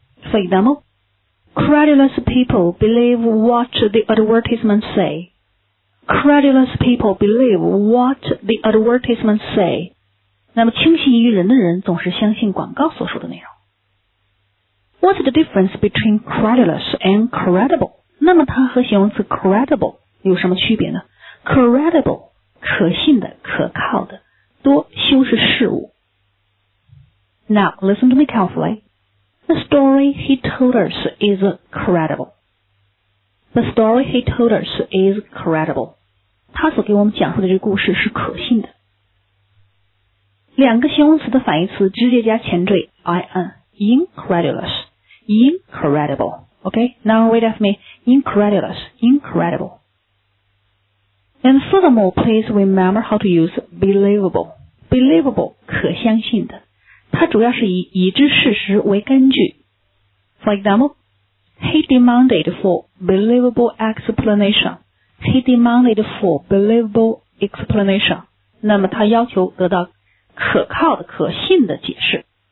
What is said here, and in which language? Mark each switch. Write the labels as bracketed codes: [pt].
[en] For example, credulous people believe what the advertisements say. Credulous people believe what the advertisements say. [zh] 那么轻信于人的人总是相信广告所说的内容。 [en] What's the difference between credulous and credible? [zh] 那么它和形容词 credible 有什么区别呢？ Credible, 可信的、可靠的、多修饰事物。 [en] Now, listen to me carefully. The story he told us is credible. The story he told us is credible. [zh] 他所给我们讲述的这个故事是可信的。两个形容词的反义词直接加前缀 IN, incredulous. [en] Incredible. Okay, now read after me. Incredulous. Incredible. And furthermore, please remember how to use believable. [zh] Believable, 可相信的。它主要是以已知事实为根据。 [en] For example, he demanded for believable explanation. He demanded for believable explanation. [zh] 那么他要求得到可靠的、可信的解释。